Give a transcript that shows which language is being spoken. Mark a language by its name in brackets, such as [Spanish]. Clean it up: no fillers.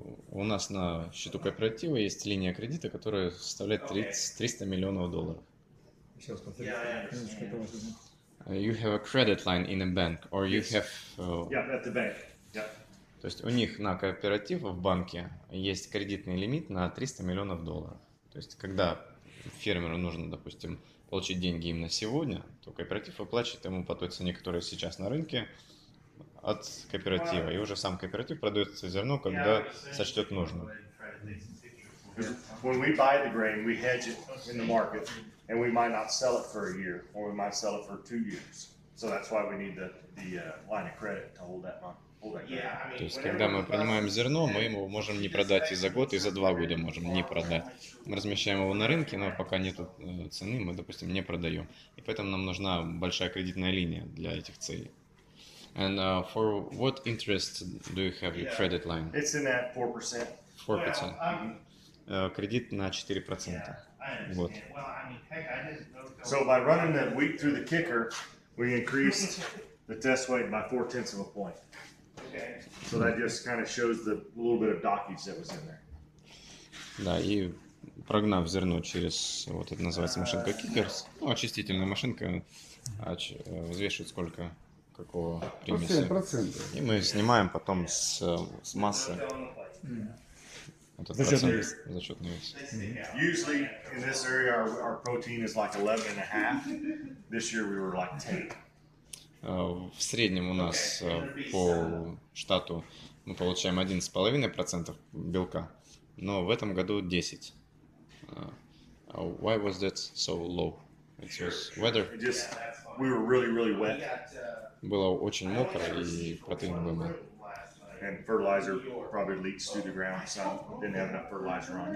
[Russian] У нас на счету кооператива есть линия кредита, которая составляет $300 million. [English] You have a credit line in a bank, or you have? Yeah, at the bank. Yeah. [Russian] То есть у них на кооператив в банке есть кредитный лимит на $300 million. То есть когда фермеру нужно, допустим, получить деньги именно сегодня, то кооператив выплачивает ему по той цене, которая сейчас на рынке, от кооператива. И уже сам кооператив продает зерно, когда сочтет нужным. [English] When we buy the grain, we hedge it in the market, and we might not sell it for a year, or we might sell it for 2 years. So that's why we need the line of credit to hold that money. [Russian] То есть, когда мы принимаем зерно, мы его можем не продать и за год, и за два года можем не продать. Мы размещаем его на рынке, но пока нету цены, мы, допустим, не продаем. И поэтому нам нужна большая кредитная линия для этих целей. [English] And for what interest do you have your credit line? It's in that 4%. [Russian] 4%. Кредит на 4%. Вот. [English] So by running that wheat through the kicker, we increased the test weight by 0.4 of a point. Okay. So that just kind of shows the little bit of dockage that was in there. [Russian] Да, и прогнав зерно через вот это называется машинка кикерс, ну, очистительная машинка, взвешивает сколько какого примеси. Процент. И мы снимаем потом с массы. [English] Usually in this area our protein is like 11.5. This year we were like 10. [Russian] В среднем у нас по штату мы получаем 11.5% белка, но в этом году 10. [English] Why was that so low? It was weather. We were really, really wet. [Russian] Было очень мокро и протеин был. [English] And fertilizer probably leaks through the ground, so didn't have enough fertilizer on.